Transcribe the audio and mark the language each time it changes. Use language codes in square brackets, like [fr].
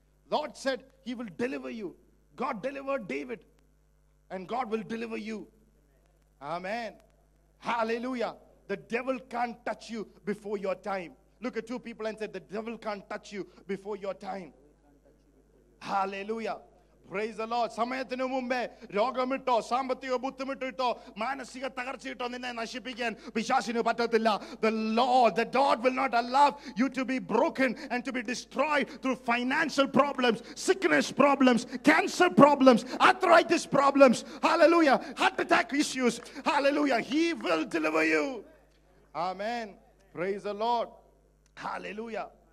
[en] Lord said he will deliver you. God delivered David, and God will deliver you. Amen. Hallelujah. The devil can't touch you before your time. Look at two people and say, the devil can't touch you before your time. Hallelujah. Praise the Lord. [ml] സമയത്തിന് മുമ്പേ രോഗമിട്ടോ സാമ്പത്തിക ബുദ്ധിമുട്ടിട്ടോ മാനസിക തകർച്ച ഇട്ടോ നിന്നെ നശിപ്പിക്കാൻ പിശാചിന് പറ്റത്തില്ല. [en] The Lord, the God will not allow you to be broken and to be destroyed through financial problems, sickness problems, cancer problems, arthritis problems, hallelujah, heart attack issues, hallelujah, he will deliver you. Amen. Praise the Lord. Hallelujah.